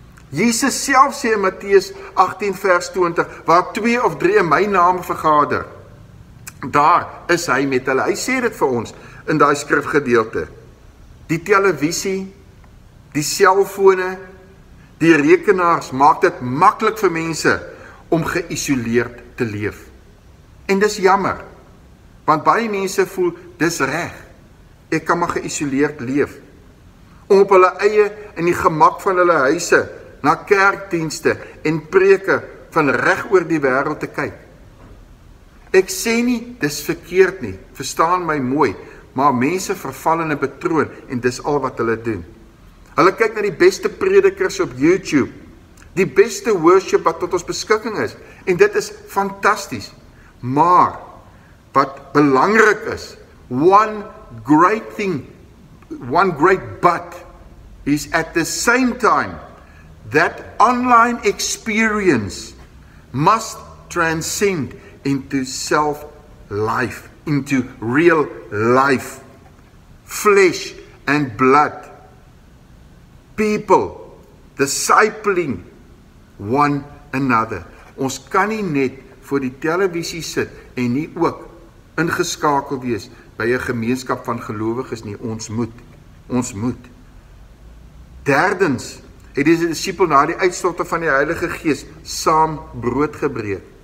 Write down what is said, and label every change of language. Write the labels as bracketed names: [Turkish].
[Afrikaans] Jesus self sê in Matteus 18 vers 20, waar twee of drie in my naam vergader, daar is hy met hulle. Hy sê dit vir ons in daai skrifgedeelte. Die televisie, Die selfone, die rekenaars maak dit maklik vir mense om geïsoleerd te leef. En dis jammer, want baie mense voel dis reg. Ek kan maar geïsoleerd leef. Om op hulle eie in die gemak van hulle huise na kerkdienste en preke van reg oor die wêreld te kyk. Ek sê nie, dis verkeerd nie, verstaan my mooi, maar mense verval in 'n patroon en dis al wat hulle doen. Hulle kyk na die beste predikers op YouTube, die beste worship wat tot ons beskikking is, en dit is fantasties. Maar, wat belangrik is, [English] one great but, is at the same time, that online experience must transcend into self-life, into real life, flesh and blood, people, discipling one another. [Afrikaans] Ons kan nie net voor die televisie sit en nie ook ingeskakel wees by 'n gemeenskap van gelowiges nie. Ons moet. Derdens, het die disipel na die uitstorting van die Heilige Gees saam brood gebreek.